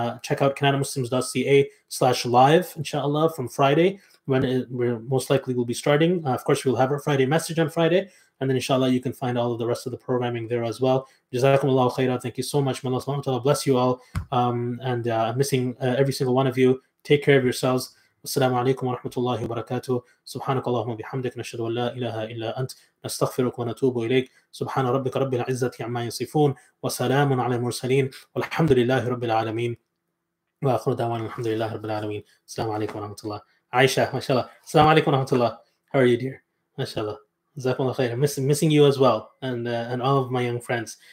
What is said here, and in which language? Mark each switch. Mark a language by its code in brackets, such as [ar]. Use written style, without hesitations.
[en] Check out canadamuslims.ca/live, inshallah, from Friday, when we're most likely will be starting. Of course, we'll have our Friday message on Friday. And then inshallah, you can find all of the rest of the programming there as well. Jazakumullah khairan. Thank you so much. May Allah subhanahu wa ta'ala bless you all. And I'm missing every single one of you. Take care of yourselves. [ar] والسلام عليكم ورحمة الله وبركاته. سبحانك اللهم وبحمدك، نشهد أن لا إله إلا أنت، نستغفرك ونتوب إليك. سبحان ربك رب العزة عما يصفون، وسلام على المرسلين، والحمد لله رب العالمين، وآخر دعوانا الحمد لله رب العالمين. السلام عليكم ورحمة الله. عائشة ما شاء الله، السلام عليكم ورحمة الله، [en] how are you dear؟ [ar] ما شاء الله، جزاكم الله خير. [en] missing you as well and all of my young friends.